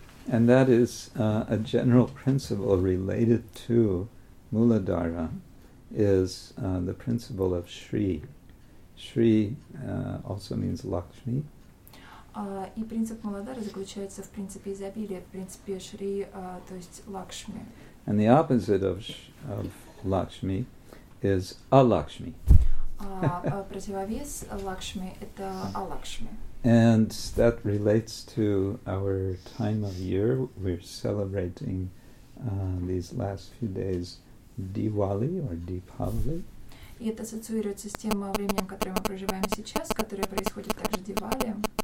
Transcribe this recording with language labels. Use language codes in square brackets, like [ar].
[en] And that is a general principle related to Muladhara is the principle of Shri. Shri also means Lakshmi. [ru] И принцип Muladhara заключается в принципе изобилия, в принципе Шри, то есть Лакшми. [en] And the opposite of Lakshmi is Alakshmi. [ru] Противовес Лакшми – это Алакшми. [en] And that relates to our time of year. We're celebrating these last few days Diwali or Deepavali. [ru] И это ассоциируется с тем временем, которое мы проживаем сейчас, которое происходит также Дивали.